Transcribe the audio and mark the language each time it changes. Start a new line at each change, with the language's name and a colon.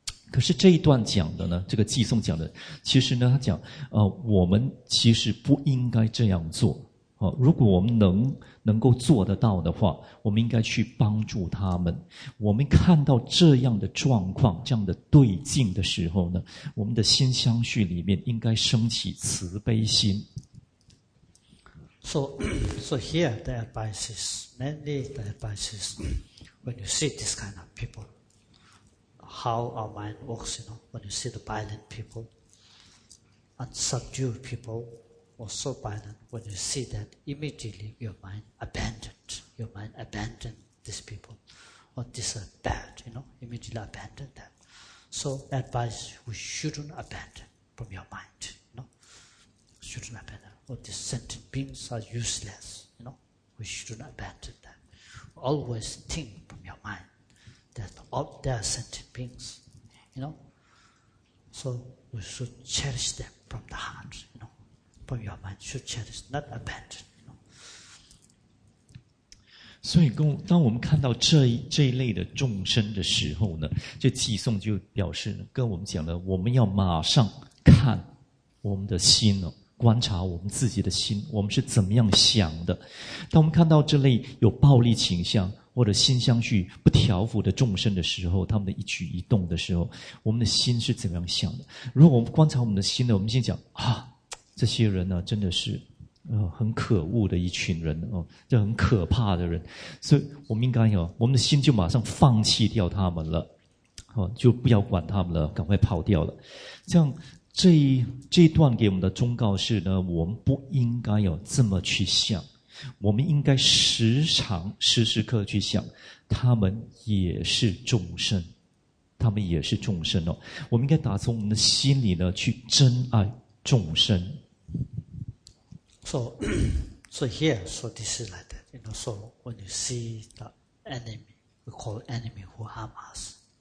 Chinese: 可是这一段讲的呢，这个寄送讲的，其实呢他讲我们其实不应该这样做，如果我们能够做得到的话，我们应该去帮助他们。我们看到这样的状况，这样的对境的时候呢，我们的心相续里面应该升起慈悲心。
English: So here the advice is mainly the advice is when you see this kind of peopleHow our mind works, you know, when you see the violent people and subdued people were so violent, when you see that, immediately your mind abandoned these people. Or this is bad, you know, immediately abandoned them. So, advice, we shouldn't abandon from your mind, you know. Shouldn't abandon. Or these sentient beings are useless, you know. We shouldn't abandon them. Always think from your mind. That all their sentient beings, you know. So we should cherish them from the heart, you know. From your mind, should cherish, not abandon, you know.
Chinese: 所以当我们看到这一类的众生的时候呢，这寄送就表示跟我们讲了，我们要马上看我们的心哦。观察我们自己的心，我们是怎么样想的。当我们看到这类有暴力倾向或者心相续不调伏的众生的时候，他们的一举一动的时候，我们的心是怎么样想的。如果我们观察我们的心呢，我们先讲这些人呢真的是很可恶的一群人，这很可怕的人，所以我们应该，我们的心就马上放弃掉他们了，就不要管他们了，赶快跑掉了。这样这一段给我们的忠告是呢，我们不应该有这么去想，我们应该时常时时刻去想，他们也是众生，他们也是众生哦。我们应该打从我们的心里呢去珍爱众生。
English: So here, so this is like that. You know, so when you see the enemy, we call enemy who harm us.